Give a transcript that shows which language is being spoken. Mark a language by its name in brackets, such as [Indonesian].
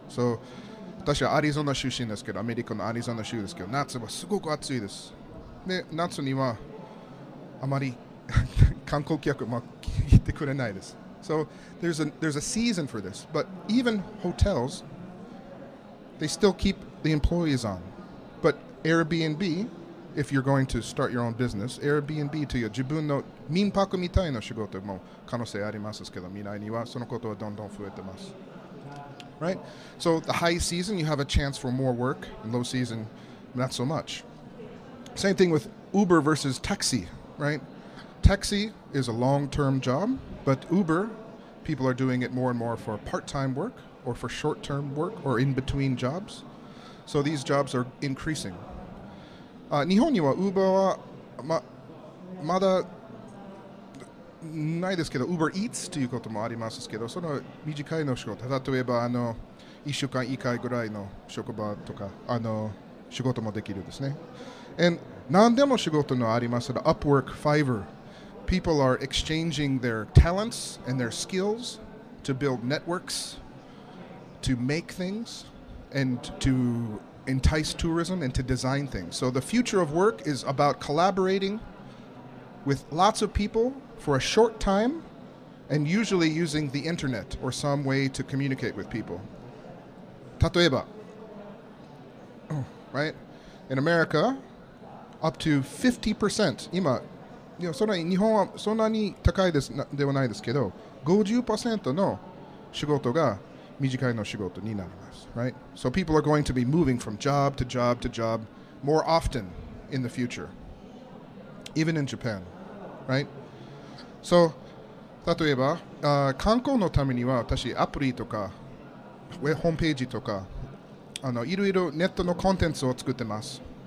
[Japanese] So 私はアリゾナ出身ですけど、アメリカのアリゾナ州ですけど、夏はすごく暑いです。で、夏にはあまり観光客も来てくれないです。 [English] So there's a season for this. But even hotels, they still keep the employees on. But Airbnb, if you're going to start your own business, [Japanese] Airbnb という自分の民泊みたいな仕事も可能性ありますけど、未来にはそのことはどんどん増えてます。 [English] Right? So the high season, you have a chance for more work. And low season, not so much. Same thing with Uber versus taxi. Right? Taxi is a long-term job, but Uber, people are doing it more and more for part-time work or for short-term work or in-between jobs. So these jobs are increasing. [Japanese] 日本には Uber は まだないですけど、Uber Eats ということもありますけど、その短いの仕事、例えばあの1週間1回ぐらいの職場とかあの仕事もできるですね。 [English] And [Japanese] 何でも仕事のありますが、Upwork, Fiverr. [English] People are exchanging their talents and their skills to build networks, to make things, and to entice tourism and to design things. So the future of work is about collaborating with lots of people for a short time and usually using the internet or some way to communicate with people. [Japanese] 例えば、 [English] right? In America,up to 50%. [Japanese] 今、いや、そんなに日本はそんなに高いですではないですけど、50% の仕事が短いの仕事になります。 [English] Right? So people are going to be moving from job to job to job more often in the future. Even in Japan. Right? [Japanese] So, 例えば、観光のためには私、アプリとか、ホームページとか、あの、いろいろネットのコンテンツを作ってます。